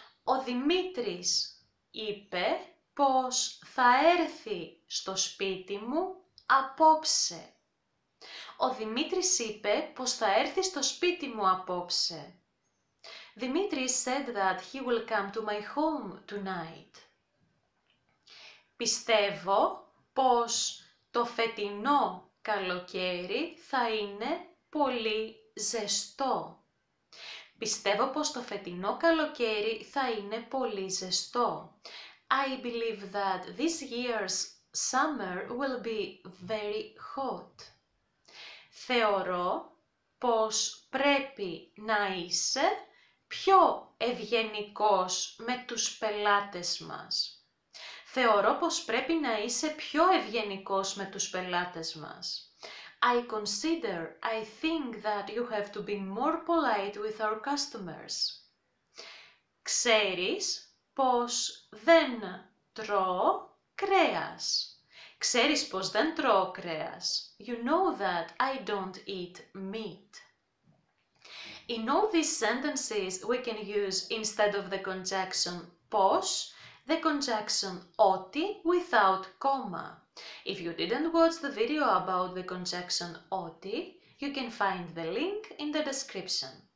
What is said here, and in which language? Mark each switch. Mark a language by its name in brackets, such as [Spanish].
[Greek] Ο Δημήτρης είπε πως θα έρθει στο σπίτι μου απόψε. Ο Δημήτρης είπε πως θα έρθει στο σπίτι μου απόψε. [English] Δημήτρης said that he will come to my home tonight. [Greek] Πιστεύω πως το φετινό καλοκαίρι θα είναι πολύ ζεστό. Πιστεύω πως το φετινό καλοκαίρι θα είναι πολύ ζεστό. [English] I believe that this year's summer will be very hot. [Greek] Θεωρώ πως πρέπει να είσαι πιο ευγενικός με τους πελάτες μας. Θεωρώ πως πρέπει να είσαι πιο ευγενικός με τους πελάτες μας. [English] I think that you have to be more polite with our customers. [Greek] Ξέρεις πως δεν τρώω κρέας. Ξέρεις πως δεν τρώω κρέας. [English] You know that I don't eat meat. In all these sentences, we can use instead of the conjunction πως, the conjunction ότι without comma. If you didn't watch the video about the conjunction ότι, you can find the link in the description.